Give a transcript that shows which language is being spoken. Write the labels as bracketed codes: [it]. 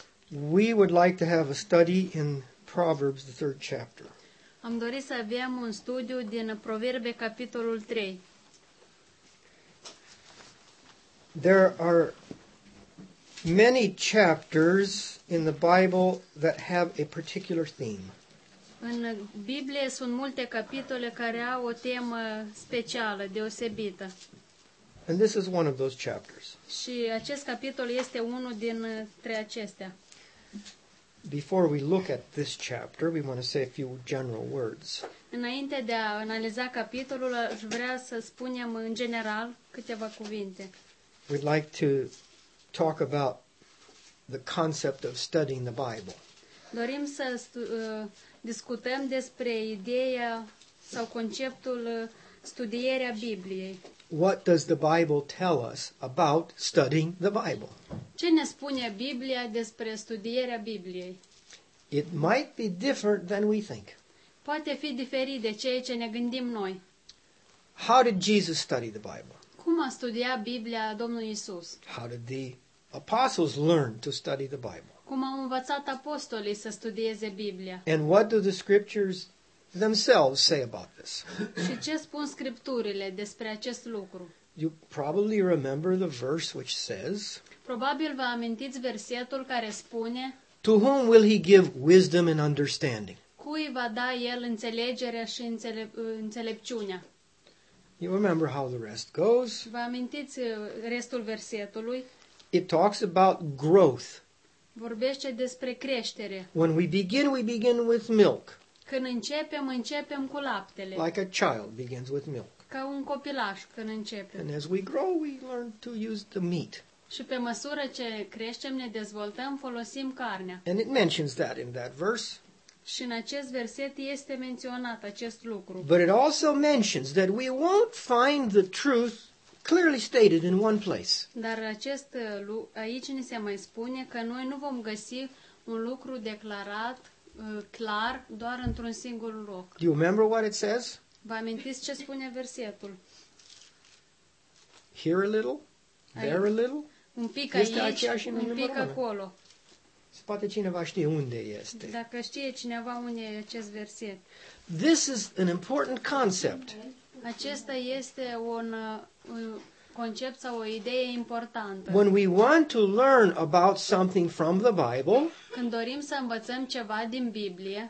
[en] We would like to have a study in Proverbs, the third chapter. [ro] Am dorit să avem un studiu din Proverbe, capitolul 3. [en] There are many chapters in the Bible that have a particular theme. [ro] În Biblie sunt multe capitole care au o temă specială, deosebită. [en] And this is one of those chapters. [ro] Și acest capitol este unul dintre acestea. [en] Before we look at this chapter, we want to say a few general words. [ro] Înainte de a analiza capitolul, aș vrea să spunem în general câteva cuvinte. [en] We'd like to talk about the concept of studying the Bible. [ro] Dorim să discutăm despre ideea sau conceptul studierea Bibliei. [en] What does the Bible tell us about studying the Bible? [ro] Ce ne spune Biblia despre studierea Bibliei? [en] It might be different than we think. [ro] Poate fi diferit de ceea ce ne gândim noi. [en] How did Jesus study the Bible? [ro] Cum a studiat Biblia Domnul Iisus? [en] How did the apostles learn to study the Bible? [ro] Cum au învățat apostolii să studieze Biblia? [en] And what do the scriptures themselves say about this? [ro] Și ce spun scripturile despre acest lucru? [en] You probably remember the verse which says, [ro] probabil vă amintiți versetul care spune, [en] to whom will he give wisdom and understanding? [ro] Cui va da el înțelegerea și înțelepciunea? [en] You remember how the rest goes? [ro] Vă amintiți restul versetului? [en] It talks about growth. [ro] Vorbește despre creștere. [en] When we begin with milk. [ro] Când începem cu laptele. [en] Like a child begins with milk. [ro] Ca un copilaș când începe. [en] And as we grow, we learn to use the meat. [ro] Și pe măsură ce creștem, ne dezvoltăm, folosim carnea. [en] And it mentions that in that verse. [ro] Și în acest verset este menționat acest lucru. [en] But it also mentions that we won't find the truth clearly stated in one place. [ro] Dar acest aici ni se mai spune că noi nu vom găsi un lucru declarat clar doar într-un singur loc. [en] Do you remember what it says? [ro] Vă amintiți ce spune versetul? [en] Here a little, there a little. [ro] Un pic aici, un pic acolo. Poate cineva știe unde este. Dacă știe cineva unde e acest verset. [en] This is an important concept. [ro] Acesta este un concept sau o idee importantă. [en] When we want to learn about something from the Bible, [ro] când dorim să învățăm ceva din Biblie,